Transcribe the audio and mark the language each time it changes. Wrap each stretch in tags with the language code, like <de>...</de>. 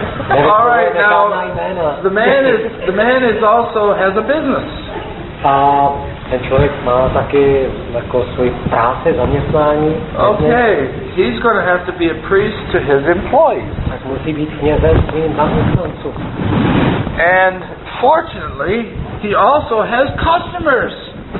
<en>All right, now the man is also has a business.</en> <cs>Ten člověk má taky jako svoji práci, zaměstnání.</cs> <en>Okay, he's going to have to be a priest to his employees.</en> <cs>Tak musí být knězem svým zaměstnancům.</cs> <en>And fortunately, he also has customers.</en>